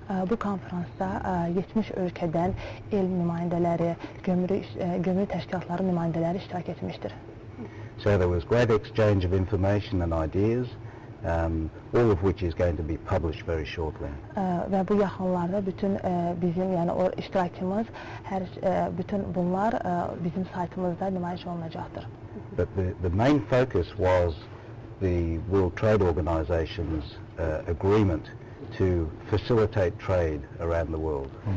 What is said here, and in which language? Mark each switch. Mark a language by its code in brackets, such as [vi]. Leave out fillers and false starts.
[az] Bu konferansda 70 ölkədən elm nümayəndələri, gömrük təşkilatları nümayəndələri iştirak etmişdir. [en] So there was great exchange of information and ideas All of which is going to be published very shortly. [az] Ve bu yaxınlarda bütün bizim yani o iştirakımız her bütün bunlar bizim saytımızda nümayiş olunacaqdır. [en] But the main focus was the World Trade Organization's agreement to facilitate trade around the world.